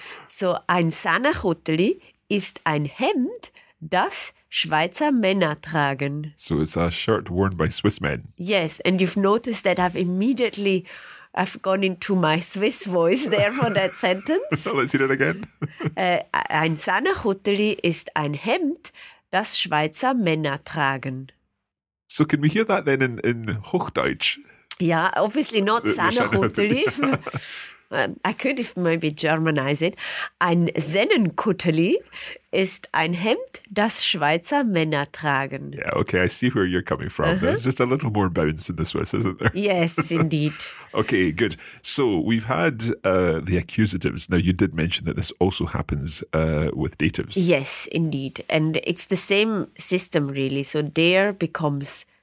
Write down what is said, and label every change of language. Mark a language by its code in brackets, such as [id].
[de] So ein Sahnekutteli ist ein Hemd, das Schweizer Männer tragen. [en] So it's a shirt worn by Swiss men. Yes, and you've noticed that I've gone into my Swiss voice there for that sentence. Let's hear it again. [de] Ein Sahnekutteli ist ein Hemd, das Schweizer Männer tragen. [en] So can we hear that then in Hochdeutsch? Yeah, obviously not Sahnekutteli. I could maybe Germanize it. [de] Ein Sennenkutteli ist ein Hemd, das Schweizer Männer tragen. [en] Yeah, okay, I see where you're coming from. Uh-huh. There's just a little more bounce in the Swiss, isn't there? Yes, indeed. Okay, good. So we've had the accusatives. Now, you did mention that this also happens with datives. Yes, indeed. And it's the same system, really. So der becomes...